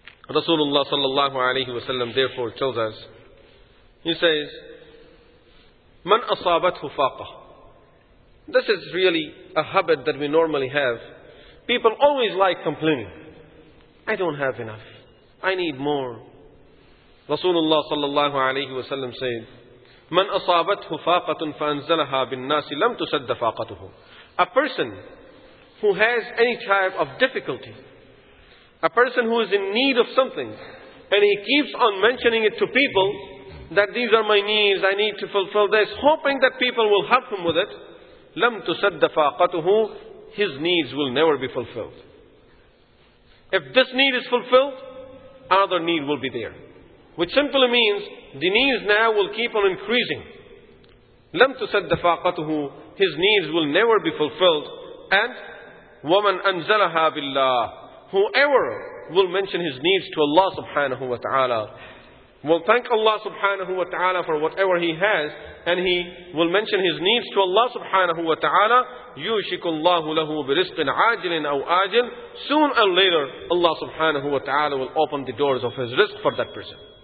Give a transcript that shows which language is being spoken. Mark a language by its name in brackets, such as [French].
[English] Rasulullah sallallahu alayhi wa sallam therefore tells us, he says, [Arabic] مَنْ أَصَابَتْهُ فَاقَهُ. [English] This is really a habit that we normally have. People always like complaining. I don't have enough. I need more. Rasulullah sallallahu alayhi wa sallam said, [Arabic] مَنْ أَصَابَتْهُ فَاقَةٌ فَأَنزَلَهَا بِالنَّاسِ لَمْ تُسَدَّ فَاقَتُهُ. [English] A person who has any type of difficulty, a person who is in need of something, and he keeps on mentioning it to people, that these are my needs, I need to fulfill this, hoping that people will help him with it, [Arabic] لَمْ تُسَدَّ فَاقَتُهُ. [English] His needs will never be fulfilled. If this need is fulfilled, another need will be there. Which simply means, the needs now will keep on increasing. [Arabic] لَمْ تُسَدَّ فَاقَتُهُ. [English] His needs will never be fulfilled. And [Arabic] وَمَنْ أَنْزَلَهَا بِاللَّهِ. [English] Whoever will mention his needs to Allah subhanahu wa ta'ala will thank Allah subhanahu wa ta'ala for whatever he has, and he will mention his needs to Allah subhanahu wa ta'ala. [Arabic] يُوشِكُ اللَّهُ لَهُ بِرِزْقٍ عَاجِلٍ أَوْ آجِلٍ. [English] Soon and later, Allah subhanahu wa ta'ala will open the doors of his rizq for that person.